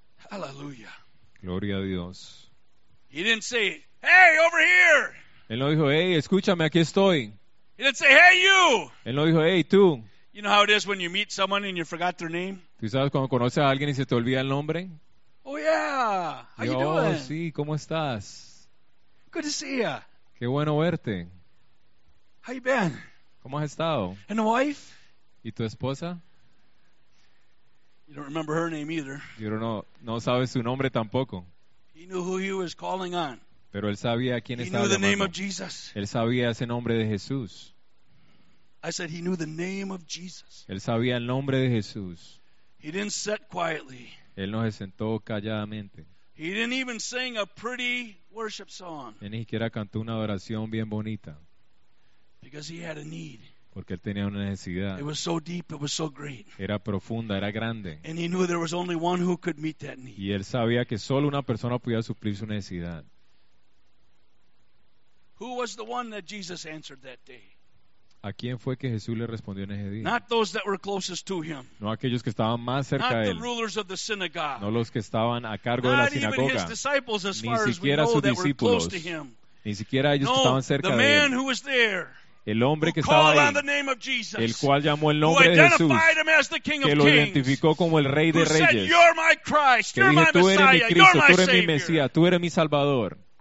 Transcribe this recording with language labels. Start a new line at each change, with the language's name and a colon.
English: Hallelujah.
Spanish: Gloria a Dios.
English: He didn't say, "Hey, over here."
Spanish: Él no dijo, "Hey, escúchame, aquí estoy."
English: He didn't say, "Hey, you."
Spanish: Él no dijo, "Hey, tú."
English: You know how it is when you meet someone and you forgot their name?
Spanish: ¿Tú sabes cuando conoces a alguien y se te olvida el nombre?
English: Oh yeah. How you doing?
Spanish: Oh, sí, ¿cómo estás?
English: Good to see ya.
Spanish: Qué bueno verte.
English: How you been?
Spanish: ¿Cómo has estado?
English: And the wife?
Spanish: ¿Y tu esposa?
English: You don't remember her name either. You don't know,
Spanish: no sabes su nombre tampoco.
English: He knew who he was calling on.
Spanish: Pero él sabía a quién
English: he
Spanish: estaba
English: knew the
Spanish: llamando.
English: Name of Jesus.
Spanish: Él sabía ese nombre de Jesús.
English: I said he knew the name of Jesus.
Spanish: Él sabía el nombre de Jesús.
English: He didn't sit quietly.
Spanish: Él no se sentó calladamente.
English: He didn't even sing a pretty worship song.
Spanish: Él ni siquiera cantó una adoración bien bonita.
English: Because he had a need.
Spanish: Porque él tenía una necesidad.
English: It was so deep, it was so great.
Spanish: Era profunda, era grande.
English: And he knew there was only one who could meet that need.
Spanish: Y él sabía que solo una persona podía suplir su necesidad.
English: Who was the one that Jesus answered that day?
Spanish: ¿A quién fue que Jesús le respondió en ese día?
English: Not those that were closest to him.
Spanish: No aquellos que estaban más cerca de él.
English: Not the rulers of the synagogue.
Spanish: No los que estaban a cargo de la sinagoga.
English: Not even his disciples, as far as we know, that were close to him.
Spanish: Ni siquiera ellos que estaban cerca de él.
English: The man who was there.
Spanish: El hombre que estaba ahí, el cual llamó el nombre de Jesús, que lo identificó como el Rey de Reyes, que dijo, tú eres mi Cristo, tú eres mi Mesías, tú eres mi Salvador.